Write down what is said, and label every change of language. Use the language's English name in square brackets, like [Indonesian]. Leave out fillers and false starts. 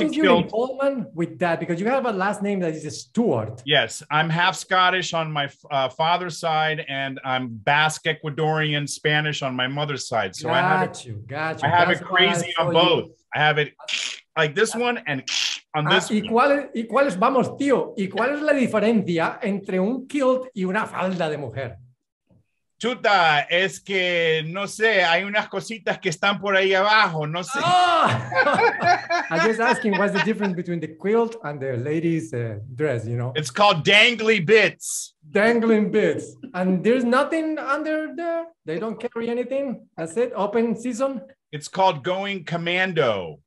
[English] What is your involvement with that? Because you have a last name that is Stuart. Yes, I'm half Scottish on my father's side and I'm Basque Ecuadorian Spanish on my mother's side. So got I have you, got you. I have That's it crazy on both. You. I have it like this one and on this one. [Spanish] ¿Y cuál es, vamos, tío, y cuál es la diferencia entre un kilt y una falda de mujer? Chuta, es que no sé, hay unas cositas que están por ahí abajo, no sé. Oh! [English] I'm just asking what's the difference between the quilt and the lady's dress, you know? It's called dangly bits. Dangling bits. And there's nothing under there? They don't carry anything? That's it? Open season? It's called going commando.